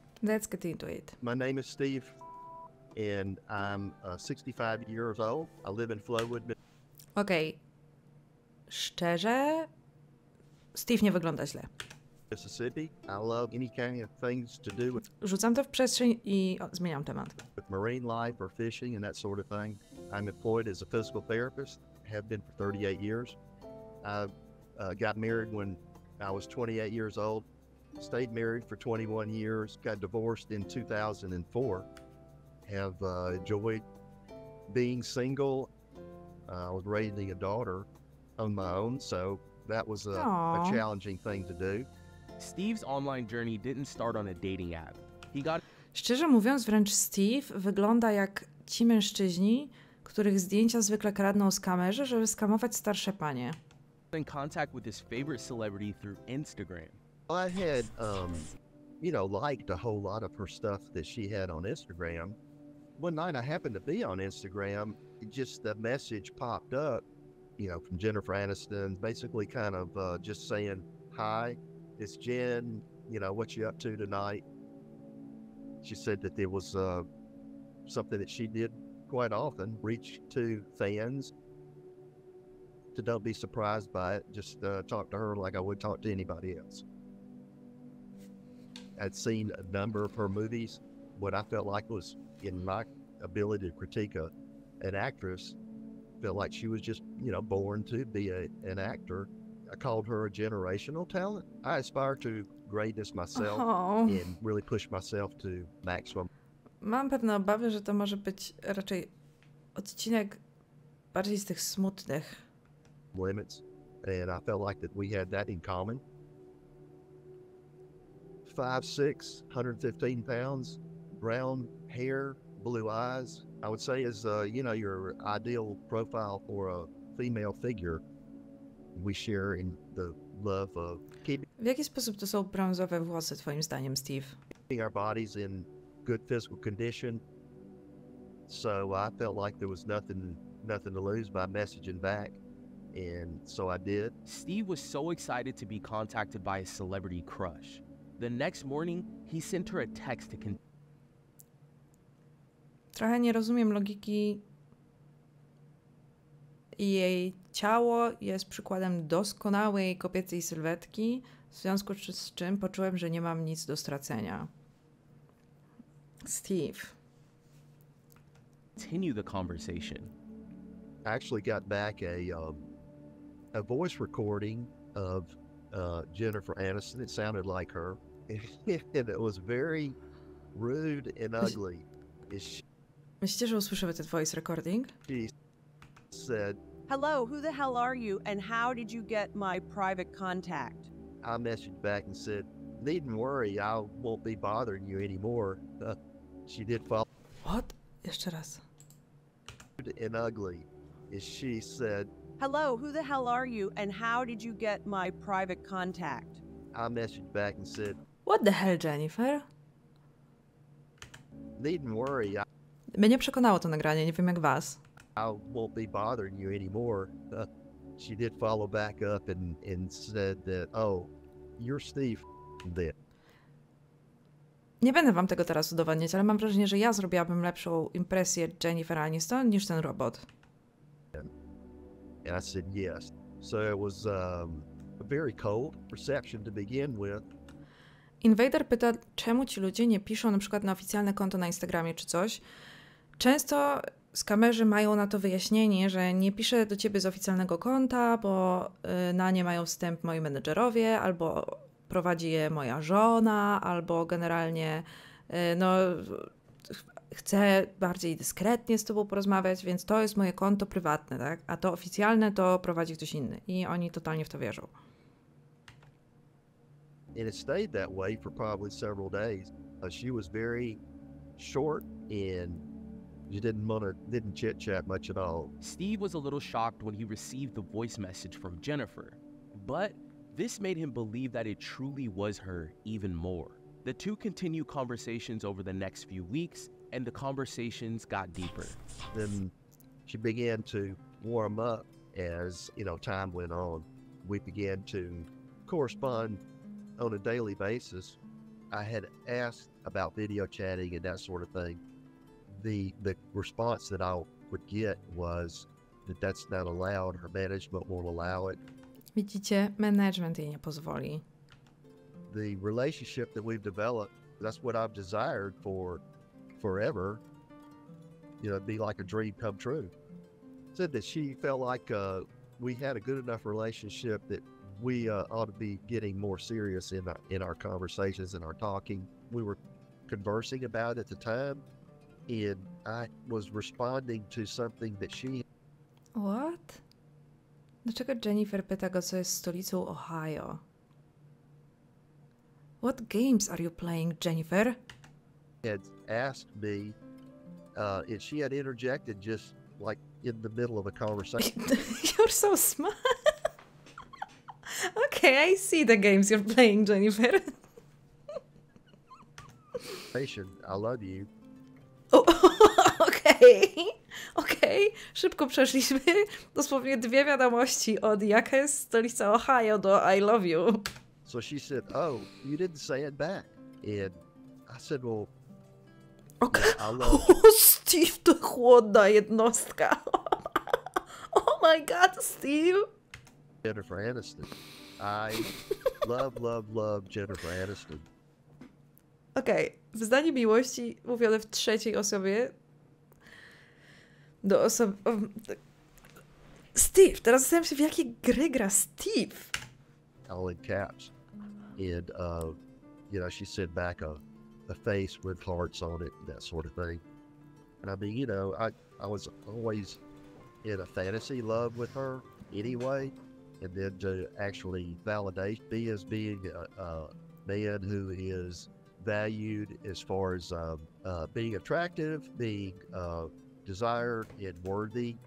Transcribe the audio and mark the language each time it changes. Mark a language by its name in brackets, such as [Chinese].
[English] Let's get into it. My name is Steve, and I'm 65 years old. I live in Flowood. [Polish] Okay. Szczerze? Steve nie wygląda źle. [English] Mississippi. I love any kind of things to do with. [Polish] Rzucam to w przestrzeń i zmieniam temat. [English] With marine life or fishing and that sort of thing. I'm employed as a physical therapist. Have been for 38 years. I got married when I was 28 years old. Stayed married for 21 years. Got divorced in 2004. Have enjoyed being single. I was raising a daughter on my own, so that was a challenging thing to do. Steve's online journey didn't start on a dating app. He got. [Polish] Szczerze mówiąc, wręcz Steve wygląda jak ci mężczyźni, których zdjęcia zwykle kradną z kamery, żeby skamować starsze panie. [English] In contact with his favorite celebrity through Instagram. Well, I had, you know, liked a whole lot of her stuff that she had on Instagram. One night I happened to be on Instagram, just the message popped up, you know, from Jennifer Aniston, basically kind of just saying, hi, it's Jen, you know, what you up to tonight? She said that there was something that she did quite often, reach to fans, to don't be surprised by it, just talk to her like I would talk to anybody else. I'd seen a number of her movies. What I felt like was, in my ability to critique an actress, felt like she was just, you know, born to be an actor. I called her a generational talent. I aspire to greatness myself and really push myself to maximum. [Polish] Mam pewne obawy, że to może być raczej odcinek bardziej z tych smutnych. [English] Limits, and I felt like that we had that in common. 5'6", 115 pounds, brown hair, blue eyes. I would say is, you know, your ideal profile for a female figure. We share in the love of... [Polish] W jaki sposób to są brązowe włosy, twoim zdaniem, Steve? [English] Our bodies in good physical condition, so I felt like there was nothing to lose by messaging back, and so I did. Steve was so excited to be contacted by a celebrity crush. The next morning, he sent her a text to [Polish] Trochę nie rozumiem logiki. Jej ciało jest przykładem doskonałej kobiecej sylwetki, w związku z czym poczułem, że nie mam nic do stracenia. [English] Steve. Continue the conversation. I actually got back a voice recording of Jennifer Aniston. It sounded like her. And it was very rude and ugly. [Polish] Myślicie, że usłyszymy ten [English] voice recording? She said, "Hello, who the hell are you, and how did you get my private contact?" I messaged back and said, "Needn't worry, I won't be bothering you anymore." She did follow. [Polish] What? Jeszcze raz. [English] Rude and ugly. She said, "Hello, who the hell are you, and how did you get my private contact?" I messaged back and said, "What the hell, Jennifer?" Needn't worry. [Polish] Mnie przekonało to nagranie, nie wiem jak was. [English] I won't be bothering you anymore. She did follow back up and said that, "Oh, you're Steve then." [Polish] Nie będę wam tego teraz udowadniać, ale mam wrażenie, że ja zrobiłabym lepszą impresję Jennifer Aniston niż ten robot. [English] And I said yes. So it was a very cold reception to begin with. [Polish] Invader pyta, czemu ci ludzie nie piszą na przykład na oficjalne konto na Instagramie czy coś. Często skamerzy mają na to wyjaśnienie, że nie piszę do ciebie z oficjalnego konta, bo na nie mają wstęp moi menedżerowie, albo prowadzi je moja żona, albo generalnie no, chcę bardziej dyskretnie z tobą porozmawiać, więc to jest moje konto prywatne, tak? A to oficjalne to prowadzi ktoś inny i oni totalnie w to wierzą. [English] And it stayed that way for probably several days. She was very short and she didn't chit chat much at all. Steve was a little shocked when he received the voice message from Jennifer, but this made him believe that it truly was her even more. The two continued conversations over the next few weeks and the conversations got deeper. Then she began to warm up as, you know, time went on. We began to correspond on a daily basis. I had asked about video chatting and that sort of thing. The response that I would get was that that's not allowed, her management won't allow it. [Polish] Widzicie, management jej nie pozwoli. [English] The relationship that we've developed, that's what I've desired for forever. You know, it'd be like a dream come true. Said that she felt like we had a good enough relationship that we ought to be getting more serious in our conversations and our talking. We were conversing about it at the time, and I was responding to something that she... What? [Polish] Dlaczego Jennifer pyta go, co jest stolicą Ohio? [English] What games are you playing, Jennifer? ...had asked me, and she had interjected just like in the middle of a conversation. You're so smart! Okay, I see the games you're playing, Jennifer. Patient, I love you. Oh, okay. Okay. [Polish] Szybko przeszliśmy dosłownie dwie wiadomości od jaka jest stolica Ohio do [English] I love you. So she said, "Oh, you didn't say it back." And I said, "Well, okay. Yeah, I love you." Steve, [Polish] to chłodna jednostka. [English] Oh my god, Steve. Jennifer Aniston. I love, love, love Jennifer Aniston. [Polish] Okej, okay. W zdaniu miłości mówione w trzeciej osobie do osoby... Steve! Teraz zastanawiam się, w jakie gry gra Steve! [English] All in caps. And, you know, she sent back a face with hearts on it, that sort of thing. And I mean, you know, I was always in a fantasy love with her anyway. And then to actually validate me as being a man who is valued as far as being attractive, being desired and worthy.